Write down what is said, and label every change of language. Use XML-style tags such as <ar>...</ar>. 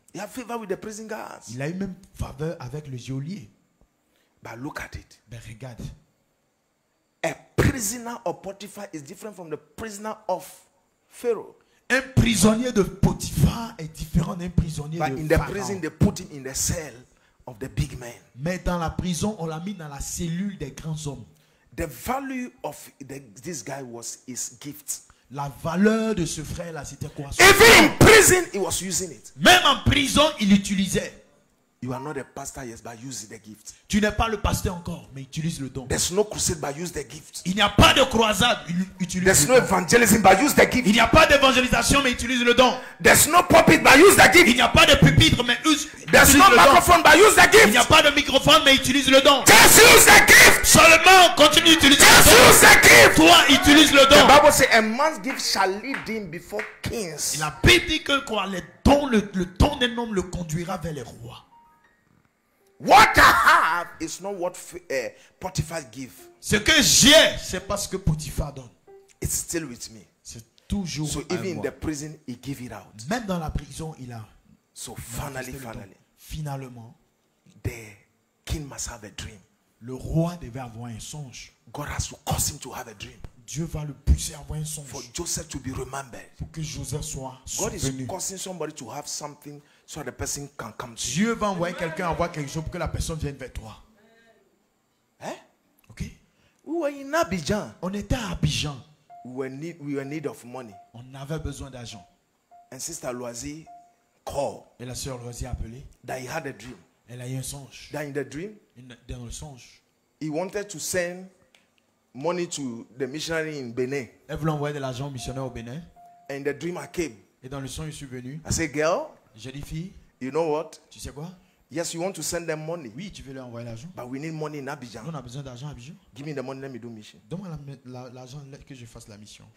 <en>He have favor with the prison guards.</en> <fr>Il a eu même faveur avec le geôlier.</fr> <en>But look at it.</en> <fr>Ben, regarde.</fr> <en>A prisoner of Potiphar is different from the prisoner of Pharaoh.</en> <fr>Un prisonnier de Potiphar est différent d'un prisonnier</fr> <en>but</en> <fr>de</fr> <en>in Pharaoh. The prison, they put him in the cell of the big man.</en> <fr>Mais dans la prison, on l'a mis dans la cellule des grands hommes.</fr> <en>The value of the, this guy was his gift.</en> <fr>La valeur de ce frère là, c'était quoi?</fr> <en>Even in prison, he was using it.</en> <fr>Même en prison, il l'utilisait.</fr> <en>You are not a pastor yet, but use the gift.</en> <fr>Tu n'es pas le pasteur encore, mais utilise le don.</fr> <en>There's no crusade, but use the gift.</en> <fr>Il n'y a pas de croisade, utilise.</fr> <en>There's no evangelism, but use the gift.</en> <fr>Il n'y a pas d'évangélisation, mais utilise le don.</fr> <en>There's no pulpit, but use the gift.</en> <fr>Il n'y a pas de pupitre, mais</fr> <en>use. There's no microphone, but use the gift.</en> <fr>Il n'y a pas de microphone, mais utilise le don.</fr> <en>Just use the gift.</en> <fr>Seulement, continue d'utiliser.</fr> <en>Just use the gift.</en> <fr>Toi, utilise le don.</fr> <en>The Bible says, a man's gift shall lead him before kings.</en> <fr>La Bible dit que quoi, le don d'un homme le conduira vers les rois.</fr> <en>What I have is not what Potiphar give.</en> <fr>Ce que j'ai, c'est pas ce que Potiphar donne.</fr> <en>It's still with me.</en> <fr>C'est toujours</fr> <en>so</en> <fr>avec</fr> <en>even</en> <fr>moi.</fr> <en>In the prison, he give it out.</en> <fr>Même dans la prison, il a.</fr> <en>So finally,</en> <fr>finalement,</fr> <en>the king must have a dream.</en> <fr>Le roi devait avoir un songe.</fr> <en>God has to cause him to have a dream.</en> <fr>Dieu va le pousser à avoir un songe.</fr> <en>For Joseph to be remembered.</en> <fr>Pour que Joseph soit</fr> <en>God</en> <fr>souvenu.</fr> <en>Is causing somebody to have something. So the person can come to</en> <fr>Dieu va envoyer quelqu'un avoir quelque chose pour que la personne vienne vers toi. Hein? Ok.</fr> <en>We were in Abidjan.</en> <fr>On était à Abidjan.</fr> <en>We were in need of money.</en> <fr>On avait besoin d'argent.</fr> <en>And Sister Loisy called.</en> <fr>Et la sœur Loisy a appelé.</fr> <en>That he had a dream.</en> <fr>Elle a eu un songe.</fr> <en>That in the dream.</en> <fr>Dans le songe.</fr> <en>He wanted to send money to the missionary in Benin.</en> <fr>Elle voulait envoyer de l'argent au missionnaire au Bénin.</fr> <en>And in the dream I came.</en> <fr>Et dans le songe je suis venu.</fr> <en>I said, girl.</en> <fr>J'ai dit fille,</fr> <en>you know what?</en> <fr>Tu sais quoi?</fr> <en>Yes, you want to send them money.</en> <fr>Oui, tu veux leur envoyer l'argent.</fr> <en>But we need money in Abidjan.</en> <fr>Nous, on a besoin d'argent à Abidjan.</fr> <en>Give me the money, let me do mission.</en> <fr>Donne-moi l'argent que je fasse la mission.</fr>